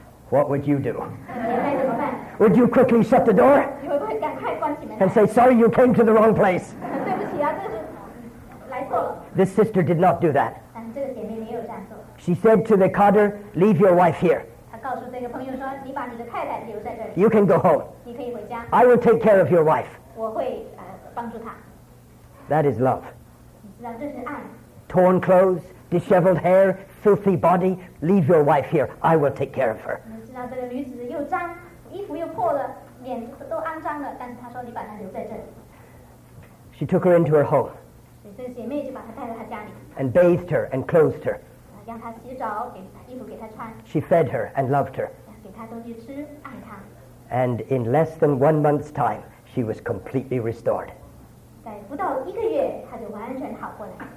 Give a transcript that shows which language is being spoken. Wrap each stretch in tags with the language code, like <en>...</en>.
<en>What would you do? Would you quickly shut the door? and say, sorry, you came to the wrong place.</en> <zh>对不起啊，这个来错了。</zh> <en>This sister did not do that.</en> <zh>这个姐妹没有这样做。</zh> <en>She said to the carter, leave your wife here.</en> <zh>她告诉这个朋友说，你把你的太太留在这里。</zh> <en>You can go home.</en> <zh>你可以回家。</zh> <en>I will take care of your wife.</en> <zh>我会帮助她。</zh> <en>That is love.</en> <zh>你知道这是爱。</zh> <en>Torn clothes, disheveled hair, filthy body, leave your wife here. I will take care of her.</en> <zh>你知道这个女子又脏，衣服又破了。脸都肮脏了，但是她说你把她留在这里。</zh> <en>She took her into her home.</en> <zh>这姐妹就把她带到她家里。</zh> <en>And bathed her and clothed her.</en> <zh>让她洗澡，给衣服给她穿。</zh> <en>She fed her and loved her.</en> <zh>给她东西吃，爱她。</zh> <en>And in less than 1 month's time, she was completely restored.</en> <zh>在不到一个月，她就完全好过来。</zh>